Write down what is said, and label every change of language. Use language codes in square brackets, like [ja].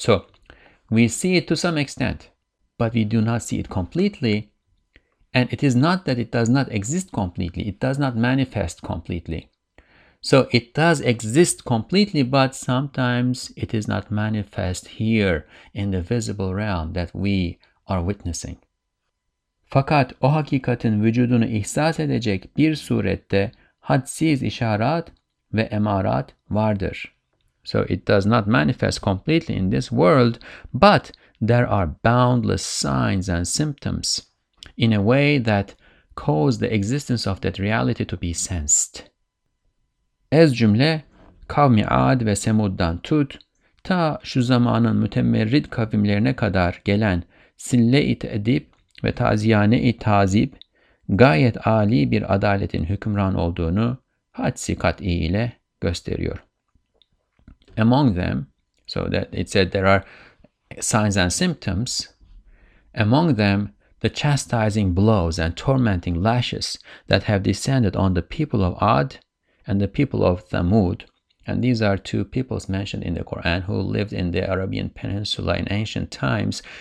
[en] So we see it to some extent, but we do not see it completely. And it is not that it does not exist completely. It does not manifest completely. So it does exist completely, but sometimes it is not manifest here in the visible realm that we are witnessing. [tr] Fakat o hakikatin vücudunu ihsas edecek bir surette hadsiz işarat ve emarat vardır. [en] So it does not manifest completely in this world, but there are boundless signs and symptoms in a way that cause the existence of that reality to be sensed. [tr] Ez cümle, kavmi Ad ve Semud'dan tut, ta şu zamanın mütemerrid kavimlerine kadar gelen sille-i te'dib ve taziyane-i tazib, gayet âli bir adaletin hükümran olduğunu hadsi kat'i ile gösteriyor. [en] Among them, so that it said there are signs and symptoms, among them, the chastising blows and tormenting lashes that have descended on the people of Ad and the people of Thamud. And these are two peoples mentioned in the Quran who lived in the Arabian Peninsula in ancient times.